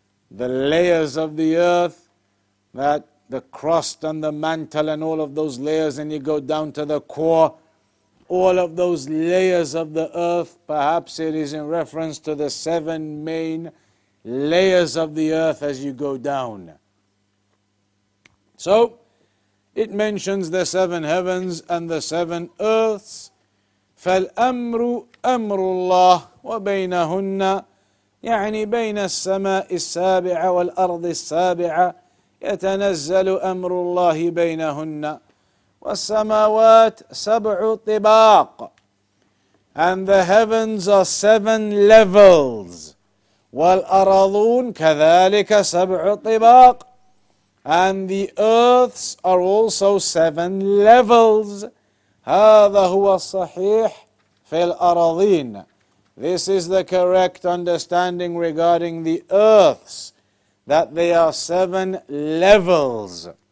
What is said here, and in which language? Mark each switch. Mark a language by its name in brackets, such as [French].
[English] The layers of the earth, that the crust and the mantle and all of those layers, and you go down to the core, all of those layers of the earth, perhaps it is in reference to the seven main layers of the earth as you go down. So, it mentions the seven heavens and the seven earths. [Arabic] فَالْأَمْرُ أَمْرُ اللَّهِ وَبَيْنَهُنَّ يعني بين السماء السابعة والأرض السابعة يتنزل أمر الله بينهن والسماوات سبع طباق. [English] And the heavens are seven levels. [Arabic] والأراضون كذلك سبع طباق. [English] And the earths are also seven levels. [Arabic] هذا هو الصحيح في الأراضين. [English] This is the correct understanding regarding the earths, that they are seven levels.